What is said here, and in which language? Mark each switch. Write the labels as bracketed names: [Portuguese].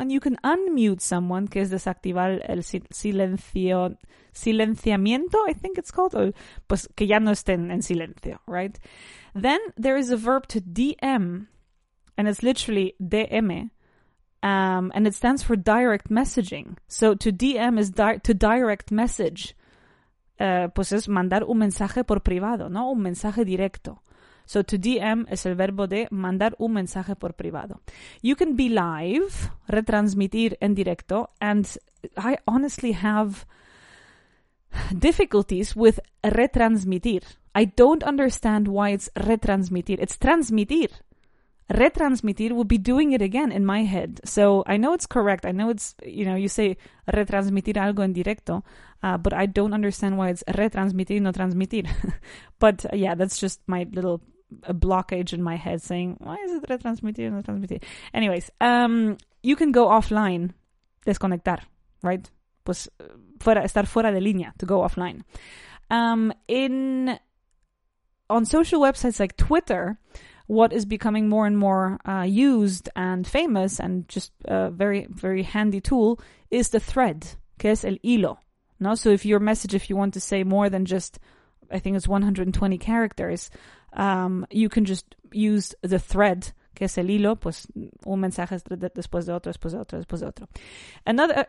[English] And you can unmute someone, [Spanish] que es desactivar el silenciamiento, [English] I think it's called, or, [Spanish] pues que ya no estén en silencio, [English] right? Then there is a verb to DM, and it's literally DM, and it stands for direct messaging. So to DM is to direct message, [Spanish] pues es mandar un mensaje por privado, ¿no? Un mensaje directo. [English] So to DM [Spanish] es el verbo de mandar un mensaje por privado. [English] You can be live, [Spanish] retransmitir en directo, [English] and I honestly have difficulties with retransmitir. I don't understand why it's retransmitir. It's transmitir. Retransmitir would be doing it again in my head. So I know it's correct. I know it's, you know, you say [Spanish] retransmitir algo en directo, [English] but I don't understand why it's retransmitir, [Spanish] no transmitir. [English] But yeah, that's just my little... a blockage in my head saying, why is it retransmitir? Anyways, you can go offline, desconectar, right? [Spanish] Pues fuera, estar fuera de línea, [English] to go offline. On social websites like Twitter, what is becoming more and more used and famous and just a very, very handy tool is the thread, [Spanish] que es el hilo, ¿no? [English] So if your message, if you want to say more than just, I think it's 120 characters, you can just use the thread, [Spanish] que es el hilo, pues un mensaje después de otro, después de otro, después de otro.